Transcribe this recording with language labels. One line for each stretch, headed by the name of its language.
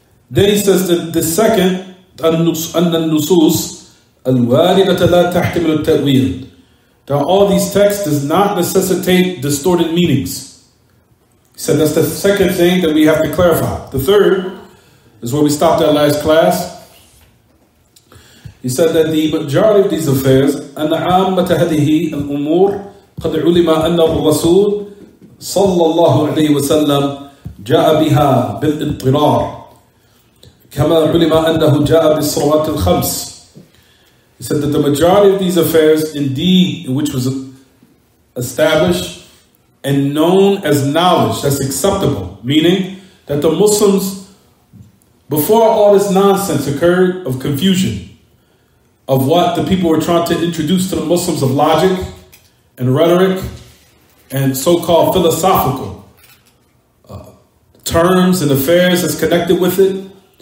English: Then he says that the second,
Arabic: أن النصوص الواردة لا تحتمل التأويل.
English: That all these texts does not necessitate distorted meanings. He said that's the second thing that we have to clarify. The third is where we stopped at last class. He said that the majority of these affairs,
Arabic: أن عامة هذه الأمور قد علم أن الرسول صلى الله عليه وسلم جاء بها بالاضطرار كما علم أنه جاء بالصلوات الخمس.
English: He said that the majority of these affairs indeed, which was established and known as knowledge, that's acceptable, meaning that the Muslims, before all this nonsense occurred of confusion, of what the people were trying to introduce to the Muslims of logic and rhetoric and so-called philosophical terms and affairs that's connected with it.